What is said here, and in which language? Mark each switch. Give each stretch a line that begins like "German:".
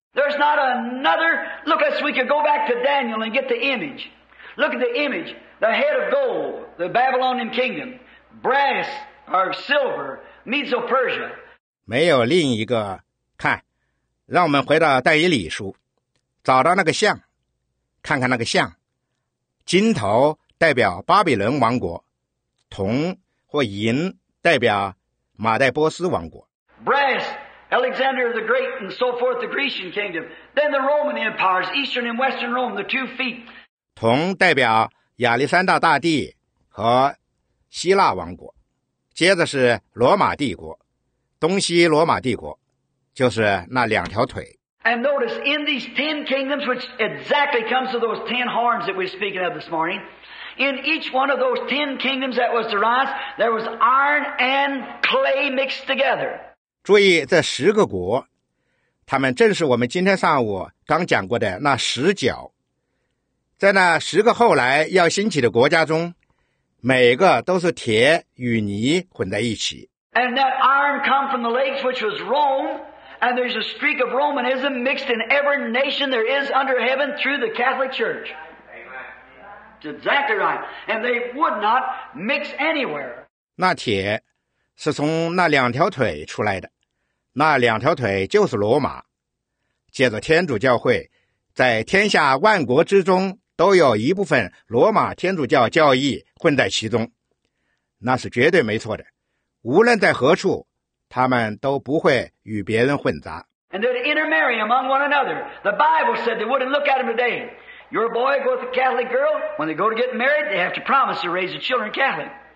English: There's not another. Look, as we could go back to Daniel and get the image. Look at the image. The head of gold, the Babylonian kingdom, brass or silver, Medo-Persia.
Chinese: 没有另一个。看，让我们回到但以理书，找到那个像，看看那个像。金头代表巴比伦王国，铜或银代表马代波斯王国。
English: Brass. Alexander the Great and so forth, the Grecian kingdom. Then the Roman empires, Eastern and Western Rome, the two feet.
Chinese: 铜代表亚历山大大帝和希腊王国，接着是罗马帝国，东西罗马帝国，就是那两条腿。
English: And notice in these ten kingdoms, which exactly comes to those ten horns that we're speaking of this morning, in each one of those ten kingdoms that was to rise, there was iron and clay mixed together.
Chinese: 注意这十个国，他们正是我们今天上午刚讲过的那十角。在那十个后来要兴起的国家中，每个都是铁与泥混在一起。
English: And that iron come from the lakes which was Rome, and there's a streak of Romanism mixed in every nation there is under heaven through the Catholic Church. That's exactly right. And they would not mix anywhere.
Chinese: 那铁是从那两条腿出来的，那两条腿就是罗马。借着天主教会，在天下万国之中都有一部分罗马天主教教义混在其中，那是绝对没错的。无论在何处，他们都不会与别人混杂。
English: And they'd intermarry among one another. The Bible said they wouldn't look at them today. Your boy goes to a Catholic girl. When they go to get married, they have to promise to raise the children Catholic.